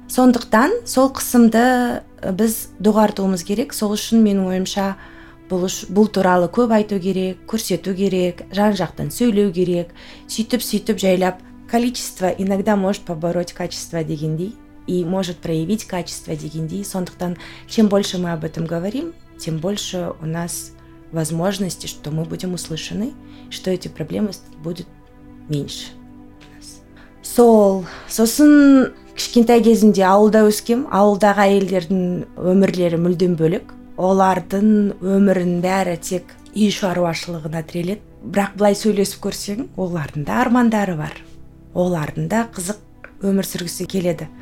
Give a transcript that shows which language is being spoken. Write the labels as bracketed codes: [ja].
[kk] Сондықтан сол қысымды біз доғартуымыз керек, сол үшін менің ойымша бұл туралы көп айту керек, көрсету керек, жан-жақтан сөйлеу керек, сөйтіп-сөйтіп жайлап, [ru] количество иногда может побороть качество [kk] дегендей, [ru] и может проявить качество [kk] дегендей. [ru] Сондықтан, чем больше мы об этом говорим, тем больше у нас возможности, что мы будем услышаны, что эти проблемы будут меньше. [kk] Сосын кішкентай кезімде ауылда өскем, ауылдағы әйелдердің өмірлері мүлдем бөлек. Олардың өмірін бәрі тек үй шаруашылығына тіреледі. Бірақ былай сөйлесіп көрсең, олардың да армандары бар. Олардың да қызық өмір сүргісі келеді.